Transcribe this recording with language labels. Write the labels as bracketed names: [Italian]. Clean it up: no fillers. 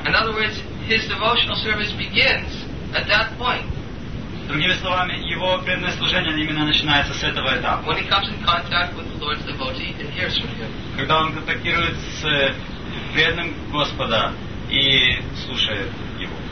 [English] In other words, his devotional service begins at that point. [Russian] Другими словами, его преданное служение именно начинается с этого этапа. [English] When he comes in contact with the Lord's devotee and hears from him. [Russian] Когда он контактирует с преданным Господа и слушает его.